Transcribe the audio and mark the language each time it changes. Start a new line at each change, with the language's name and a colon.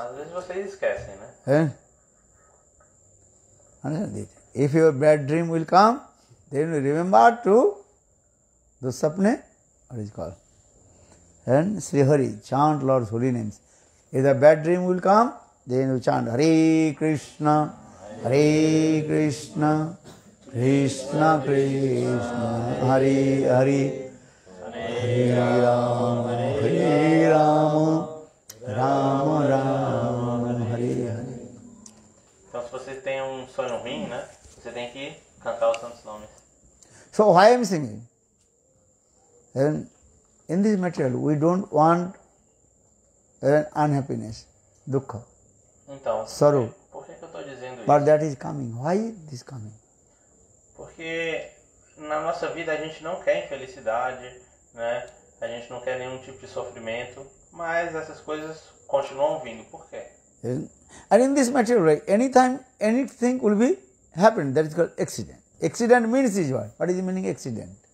Portuguese: Às vezes vocês esquecem, né?
English: Understand it. If your bad dream will come, then you remember to the sapne, what is it called? And Sri Hari, chant Lord's holy names. If the bad dream will come, then you chant Hare Krishna, Hare Krishna, Krishna Krishna, Hare Hare, Hare Ram, Hare Ram, Ram Ram, Hare Hare.
Portuguese: Então, se você tem um sonho ruim, né? Você tem que cantar os santos nomes.
English: So, why am I singing? And in this material, we don't want unhappiness, dukkha,
Portuguese: então,
English: sorrow.
Portuguese: Por que eu estou dizendo
English: but
Portuguese: isso?
English: But that is coming. Why this coming?
Portuguese: Porque na nossa vida a gente não quer infelicidade, né? A gente não quer nenhum tipo de sofrimento, mas essas coisas continuam vindo. Por quê?
English: And in this material, right, anytime anything will be happening. That is called accident. Accident means this one. What is the meaning accident?